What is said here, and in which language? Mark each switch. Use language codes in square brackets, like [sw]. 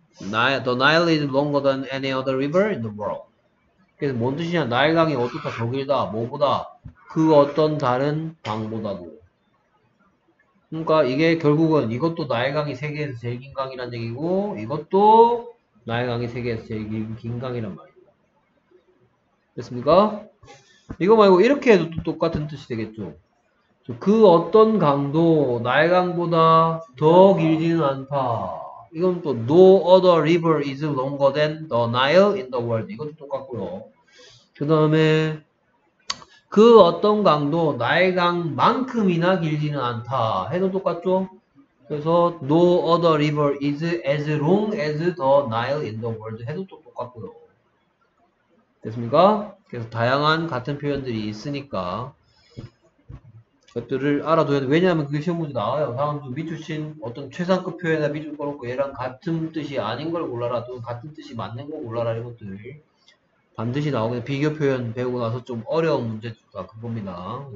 [en] The Nile is longer than any other river in the world. [ko] 그래서 뭔 뜻이냐? 나일강이 어떻다, 더 길다, 뭐보다 그 어떤 다른 강보다도. 그러니까 이게 결국은 이것도 나일강이 세계에서 제일 긴 강이란 얘기고, 이것도 나일강이 세계에서 제일 긴 강이란 말입니다. 됐습니까? 이거 말고 이렇게 해도 똑같은 뜻이 되겠죠. 그 어떤 강도 나일강보다 더 길지는 않다. 이건 또 [en] No other river is longer than the Nile in the world. [ko] 이것도 똑같고요. 그 다음에 그 어떤 강도 나일강만큼이나 길지는 않다. 해도 똑같죠? 그래서 [en] No other river is as long as the Nile in the world. [ko] 해도 또 똑같고요. 됐습니까? 그래서 다양한 같은 표현들이 있으니까 것들을 알아둬야 돼. 왜냐하면 그게 시험 문제 나와요. 다음 주 미추신 어떤 최상급 표현이나 미추 꺼놓고 얘랑 같은 뜻이 아닌 걸 골라라. 또 같은 뜻이 맞는 걸 골라라. 이것들 반드시 나오고, 비교 표현 배우고 나서 좀 어려운 문제 주다. 그겁니다.